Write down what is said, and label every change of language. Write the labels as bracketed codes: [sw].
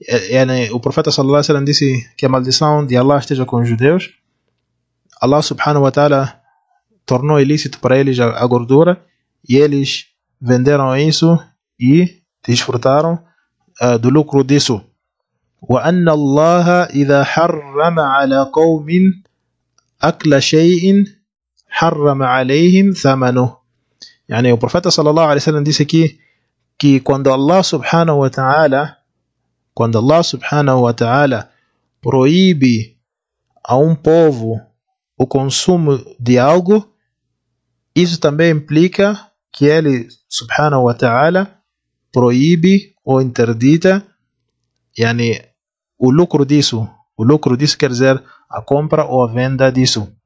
[pt] Yani, o profeta sallallahu alaihi wasallam disse que a maldição de Allah esteja com os judeus. Allah subhanahu wa ta'ala tornou ilícito para eles a gordura e eles venderam isso e desfrutaram do lucro disso. [ar] وان الله اذا حرم على قوم اكل شيء حرم عليهم ثمنه. [pt] Yani, o profeta sallallahu alaihi wasallam disse que quando Allah subhanahu wa ta'ala proíbe a um povo o consumo de algo, isso também implica que ele subhanahu wa ta'ala proíbe ou interdita, yani, o lucro disso quer dizer a compra ou a venda disso.